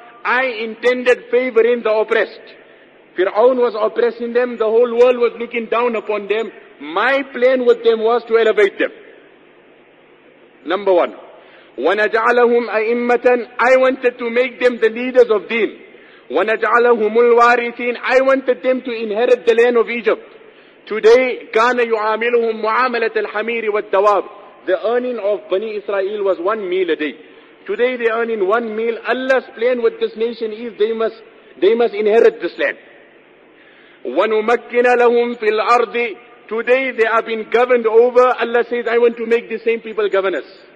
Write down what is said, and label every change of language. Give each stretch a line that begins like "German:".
English: I intended favoring the oppressed. Fir'aun was oppressing them, the whole world was looking down upon them. My plan with them was to elevate them. Number one.
Arabic: وَنَجْعَلَهُمْ أَئِمَّةً.
English: I wanted to make them the leaders of deen.
Arabic: وَنَجْعَلَهُمُ الْوَارِثِينَ.
English: I wanted them to inherit the land of Egypt. Today,
Arabic: كَانَ يُعَامِلُهُمْ مُعَامَلَةَ الْحَمِيرِ وَالدَّوَابِ.
English: The earning of Bani Israel was 1 meal a day. Today they earn in 1 meal. Allah's plan with this nation is they must inherit this land.
Arabic: وَنُمَكِّنَ لَهُمْ فِي الْأَرْضِ.
English: Today they have been governed over. Allah says, I want to make the same people govern us.